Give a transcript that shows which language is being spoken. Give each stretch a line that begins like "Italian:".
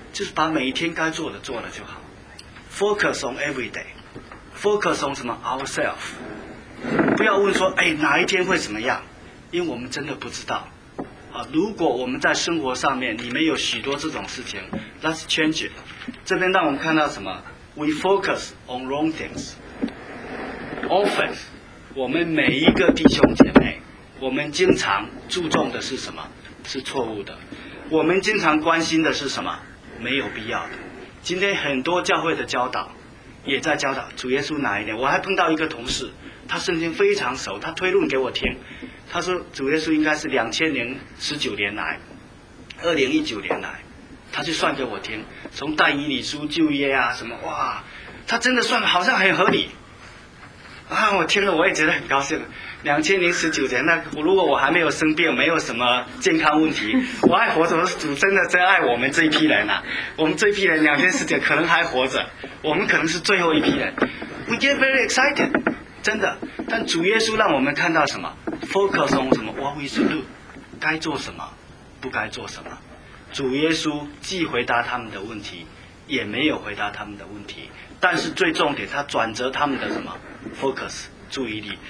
Chinese: 就是把每一天该做的做了就好。
English: Focus on everyday， Focus on
Chinese: 什么 ourself， 不要问说哎哪一天会怎么样，因为我们真的不知道啊。如果我们在生活上面里面有许多这种事情，
English: Let's change it。
Chinese: 这边让我们看到什么，
English: We focus on wrong things often。
Chinese: 我们每一个弟兄姐妹，我们经常注重的是什么？是错误的。我们经常关心的是什么？没有必要的。今天很多教会的教导也在教导主耶稣哪一年。我还碰到一个同事，他圣经非常熟，他推论给我听，他说主耶稣应该是2019年来，2019年来，他就算给我听，从但以理书旧约啊什么，哇，他真的算好像很合理啊！我听了我也觉得很高兴。2019年，那如果我还没有生病，没有什么健康问题，我还活着，主真的真爱我们这一批人啊！我们这一批人2019可能还活着，我们可能是最后一批人。
English: We get very excited，
Chinese: 真的。但主耶稣让我们看到什么 ？
English: Focus on
Chinese: 什么 ？
English: What we should do，
Chinese: 该做什么，不该做什么。主耶稣既回答他们的问题，也没有回答他们的问题，但是最重点，他转折他们的什么 ？Focus。注意力。